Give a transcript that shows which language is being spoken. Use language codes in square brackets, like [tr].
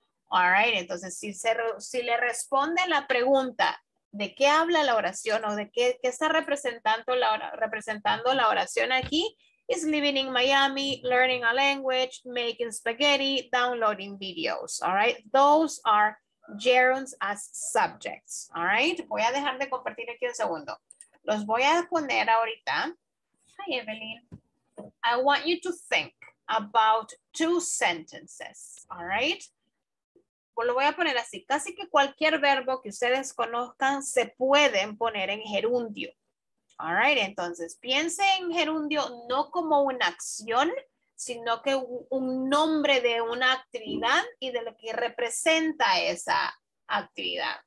[es] All right. Entonces, si le responde la pregunta de qué habla la oración o de qué está representando la oración aquí, [en] is living in Miami, learning a language, making spaghetti, downloading videos, [es] all right? [en] Those are gerunds as subjects, all right? [es] Voy a dejar de compartir aquí un segundo. Los voy a poner ahorita. [en] Hi, Evelyn. I want you to think about two sentences, all right? [es] Pues lo voy a poner así. Casi que cualquier verbo que ustedes conozcan se pueden poner en gerundio. [en] All right, [es] entonces piense en gerundio no como una acción, sino que un nombre de una actividad y de lo que representa esa actividad.